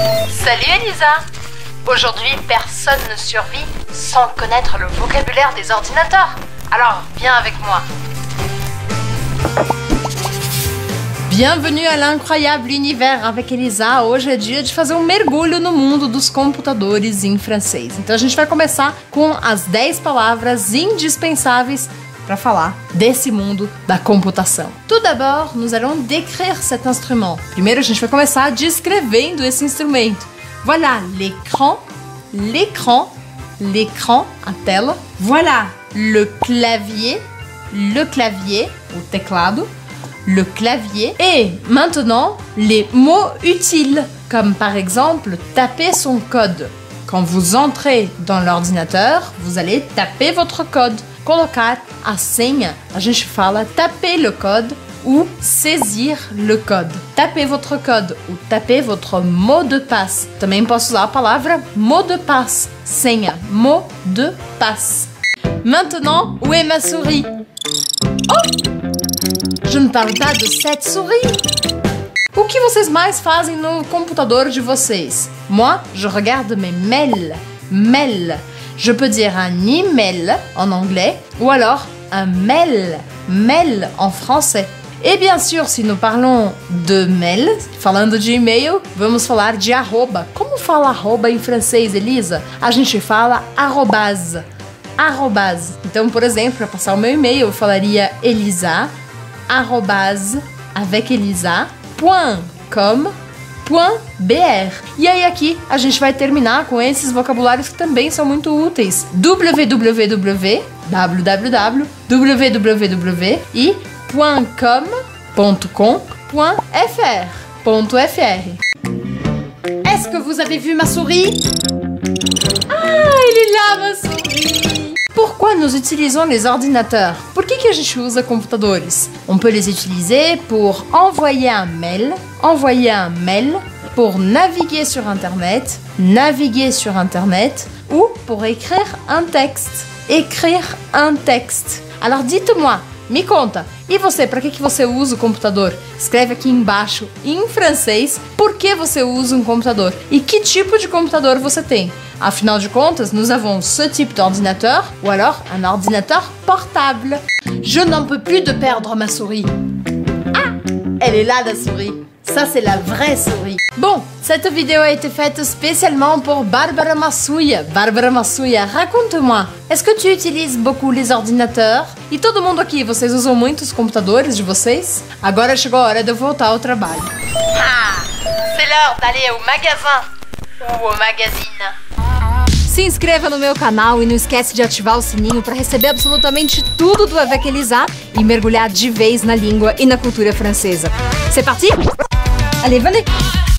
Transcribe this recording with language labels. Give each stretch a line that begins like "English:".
French: Salut Elisa. Aujourd'hui, personne ne survit sans connaître le vocabulaire des ordinateurs. Alors, viens avec moi. Bienvenue à l'incroyable univers avec Elisa.
Portuguese: Hoje é dia de fazer um mergulho no mundo dos computadores em francês. Então a gente vai começar com as 10 palavras indispensáveis para falar desse mundo da computação.
French: Tout d'abord, nous allons décrire cet instrument.
Portuguese: Primeiro a gente vai começar descrevendo esse instrumento.
French: Voilà l'écran, l'écran, l'écran,
Portuguese: a tela.
French: Voilà le clavier,
Portuguese: o teclado.
French: Le clavier. Et maintenant, les mots utiles, comme par exemple taper son code. Quand vous entrez dans l'ordinateur, vous allez taper votre code.
Portuguese: Colocar a senha, a gente fala
French: taper le code ou saisir le code. Taper votre code ou taper votre mot de passe.
Portuguese: Também posso usar a palavra mot de passe, senha, mot de passe.
French: Maintenant, où est ma souris? Oh! Je ne parle pas de cette souris.
Portuguese: O que vocês mais fazem no computador de vocês?
French: Moi, je regarde mes mails. Mail. Je peux dire un email en anglais ou alors un mail. Mail en français. Et bien sûr, si nous parlons de mail,
Portuguese: falando de e-mail, vamos falar de arroba. Como fala arroba em francês, Elisa? A gente fala arrobas. Arrobas. Então, por exemplo, para passar o meu e-mail, eu falaria Elisa.
French: Arrobas avec Elisa, .com.br.
Portuguese: E aí aqui a gente vai terminar com esses vocabulários que também são muito úteis. www, www, www e .com.fr. .fr.
French: Est-ce que vous avez vu ma souris? Ah, il est là, ma souris! Pourquoi nous utilisons les ordinateurs?
Portuguese: Por que a gente usa computadores?
French: On peut les utiliser pour envoyer un mail, pour naviguer sur Internet, ou pour écrire un texte, écrire un texte. Alors dites-moi,
Portuguese: me conta, e você, para que você usa o computador? Escreve aqui embaixo, em francês, por que você usa um computador? E que tipo de computador você tem? Afinal de contas,
French: nous avons ce type d'ordinateur ou alors un ordinateur portable. Je n'en peux plus de perdre ma souris. Ah, elle est là la souris. Ça c'est la vraie souris. Bon, cette vidéo a été faite spécialement pour Barbara Massouia. Barbara Massouia, raconte-moi. Est-ce que tu utilises beaucoup les ordinateurs?
Portuguese: E todo mundo aqui, vocês usam muito os computadores de vocês? Agora chegou a hora de eu voltar ao trabalho.
French: Ah, c'est l'heure d'aller au magasin ou au magazine.
Portuguese: Se inscreva no meu canal e não esquece de ativar o sininho para receber absolutamente tudo do Avec Elisa e mergulhar de vez na língua e na cultura francesa.
French: C'est parti? Allez, venez!